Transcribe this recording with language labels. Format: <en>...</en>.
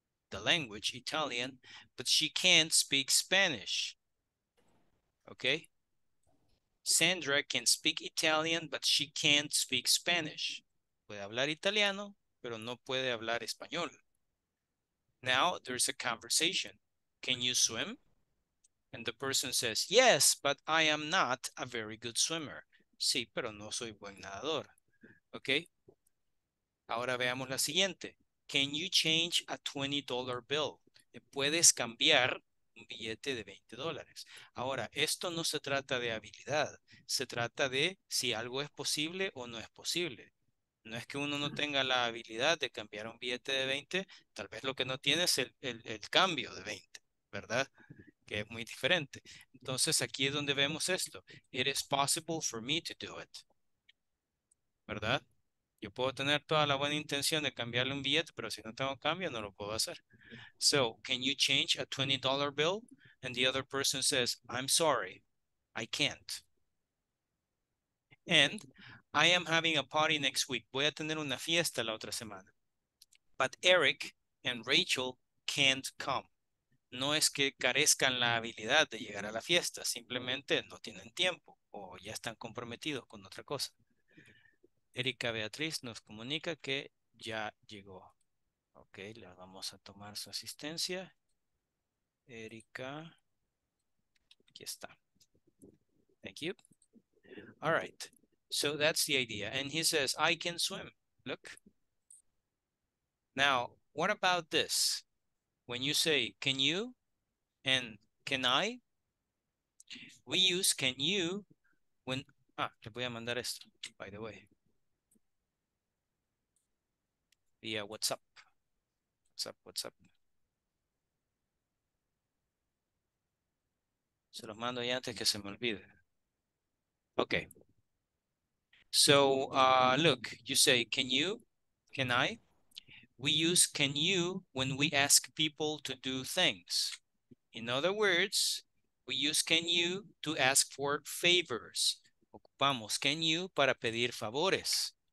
<en>The language, Italian, but she can't speak Spanish. Okay? Sandra can speak Italian, but she can't speak Spanish.</en> <es>Puede hablar italiano, pero no puede hablar español.</es> <en>Now, there's a conversation. Can you swim? And the person says, yes, but I am not a very good swimmer.</en> <es>Sí, pero no soy buen nadador. Okay? Ahora veamos la siguiente.</es> <en>Can you change a $20 bill?</en> <es>Puedes cambiar un billete de $20. Ahora, esto no se trata de habilidad. Se trata de si algo es posible o no es posible. No es que uno no tenga la habilidad de cambiar un billete de 20. Tal vez lo que no tiene es el cambio de 20, ¿verdad? Que es muy diferente. Entonces, aquí es donde vemos esto.</es> <en>It is possible for me to do it. ¿Verdad?</en> <es>Yo puedo tener toda la buena intención de cambiarle un billete, pero si no tengo cambio, no lo puedo hacer.</es> <en>So, can you change a $20 bill? And the other person says, I'm sorry, I can't. And I am having a party next week.</en> <es>Voy a tener una fiesta la otra semana.</es> <en>But Eric and Rachel can't come.</en> <es>No es que carezcan la habilidad de llegar a la fiesta. Simplemente no tienen tiempo o ya están comprometidos con otra cosa. Erika Beatriz nos comunica que ya llegó. Ok, le vamos a tomar su asistencia. Erika, aquí está.</es> <en>Thank you. All right, so that's the idea. And he says, I can swim. Look. Now, what about this? When you say, can you and can I? We use can you when, ah,</en> <es>le voy a mandar esto,</es> <en>by the way. Via WhatsApp. WhatsApp.</en> <es>Se los mando ya antes que se me olvide.</es> <en>Okay. So, look, you say, can you, can I? We use can you when we ask people to do things. In other words, we use can you to ask for favors.</en> <es>Ocupamos can you para pedir favores.</es>